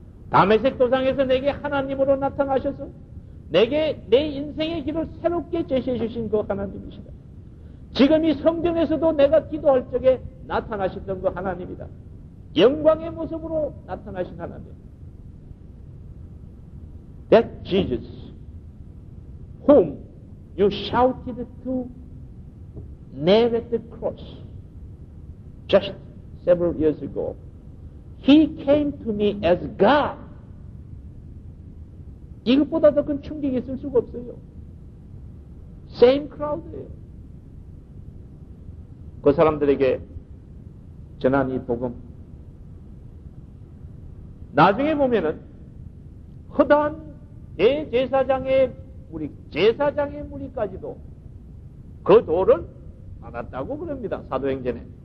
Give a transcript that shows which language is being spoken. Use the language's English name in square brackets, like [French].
[Korean] 다메섹 도상에서 내게 하나님으로 나타나셔서 내게 내 인생의 길을 새롭게 제시해 주신 그 하나님이시다. 지금 이 성전에서도 내가 기도할 적에 나타나셨던 그 하나님이다. 영광의 모습으로 나타나신 하나님. [English] That Jesus whom you shouted to nail at the cross just several years ago. He came to me as God. [Korean] 이것보다 더 큰 충격이 있을 수가 없어요. [English] Same crowd [Korean] 예요. 그 사람들에게 전한 이 복음. 나중에 보면은 허다한 대제사장의 무리, 제사장의 무리까지도 그 도를 받았다고 그럽니다. 사도행전에.